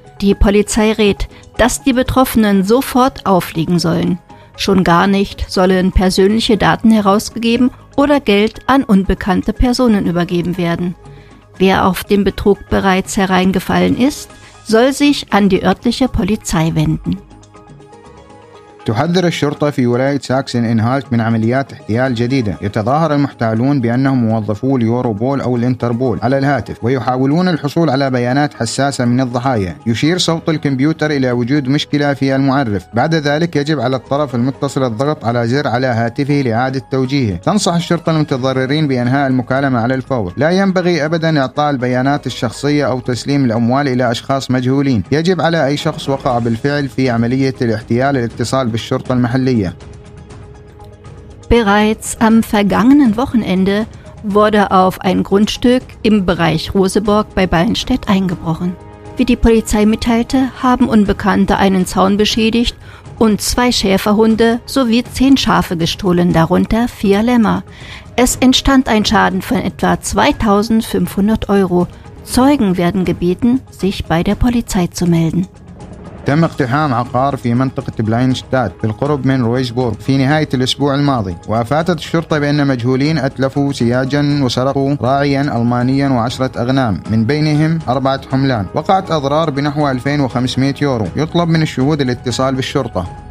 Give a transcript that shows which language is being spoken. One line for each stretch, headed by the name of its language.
German: Die Polizei rät, dass die Betroffenen sofort auflegen sollen. Schon gar nicht sollen persönliche Daten herausgegeben oder Geld an unbekannte Personen übergeben werden. Wer auf den Betrug bereits hereingefallen ist, soll sich an die örtliche Polizei wenden.
Arabic: تحذر الشرطة في ولاية ساكسن إنهالت من عمليات احتيال جديدة. يتظاهر المحتالون بأنهم موظفو اليوروبول أو الانتربول على الهاتف ويحاولون الحصول على بيانات حساسة من الضحايا. يشير صوت الكمبيوتر إلى وجود مشكلة في المعرف. بعد ذلك يجب على الطرف المتصل الضغط على زر على هاتفه لإعادة توجيهه. تنصح الشرطة المتضررين بإنهاء المكالمة على الفور. لا ينبغي أبدا إعطاء البيانات الشخصية أو تسليم الأموال إلى أشخاص مجهولين. يجب على أي شخص وقع بالفعل في عملية الاحتيال الاتصال بالشرطة المحلية.
German: Bereits am vergangenen Wochenende wurde auf ein Grundstück im Bereich Roseburg bei Ballenstedt eingebrochen. Wie die Polizei mitteilte, haben Unbekannte einen Zaun beschädigt und zwei Schäferhunde sowie 10 Schafe gestohlen, darunter 4 Lämmer. Es entstand ein Schaden von etwa 2.500 Euro. Zeugen werden gebeten, sich bei der Polizei zu melden.
Arabic: تم اقتحام عقار في منطقة بلاينشتات بالقرب من رويزبورغ في نهاية الأسبوع الماضي، وأفادت الشرطة بأن مجهولين أتلفوا سياجاً وسرقوا راعياً ألمانياً وعشرة أغنام من بينهم 4 حملان. وقعت أضرار بنحو 2500 يورو. يطلب من الشهود الاتصال بالشرطة.